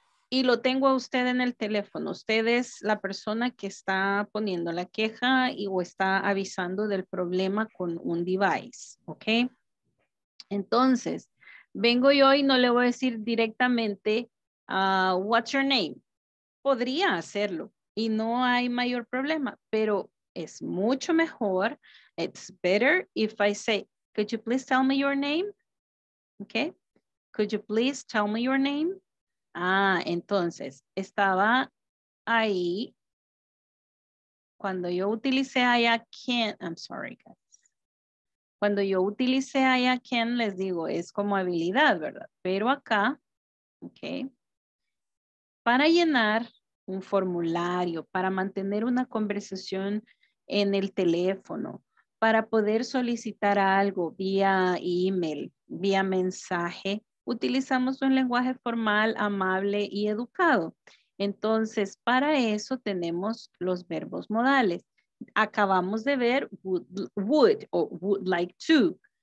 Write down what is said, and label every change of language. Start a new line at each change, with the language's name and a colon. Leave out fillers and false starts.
Spanish: Y lo tengo a usted en el teléfono. Usted es la persona que está poniendo la queja y o está avisando del problema con un device. Ok. Entonces, vengo yo y no le voy a decir directamente,
English: what's your name?
Spanish: Podría hacerlo y no hay mayor problema, pero es mucho mejor.
English: It's better if I say, could you please tell me your name? Ok. Could you please tell me your name?
Spanish: Ah, entonces, estaba ahí. Cuando yo utilicé
English: I can, I'm sorry, guys.
Spanish: Cuando yo utilicé I can, les digo, es como habilidad, ¿verdad? Pero acá, ok. Para llenar un formulario, para mantener una conversación en el teléfono, para poder solicitar algo vía email, vía mensaje, utilizamos un lenguaje formal, amable y educado. Entonces, para eso tenemos los verbos modales. Acabamos de ver would o would like to.